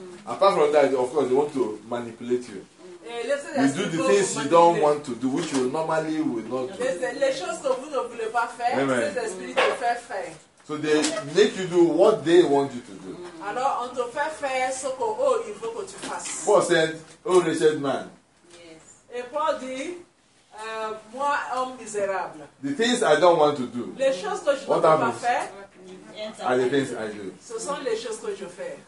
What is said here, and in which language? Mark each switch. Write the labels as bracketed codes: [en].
[en] Apart from that, of course, they want to manipulate you. You do the things you don't want to do, which you normally would not do. [fr] Les choses que vous ne voulez pas faire, [en] amen. [fr] Ces esprits te font faire. [en] So they make you do what they want you to do. [fr] Alors on te fait faire ce que il veut que tu fasses. [en] Paul said, oh wretched man. Yes. [fr] Et Paul dit, moi homme misérable. [en] The things I don't want to do. [fr] Les choses que je ne veux pas faire. [en] Are the things I do. [fr] Ce sont les choses que je fais.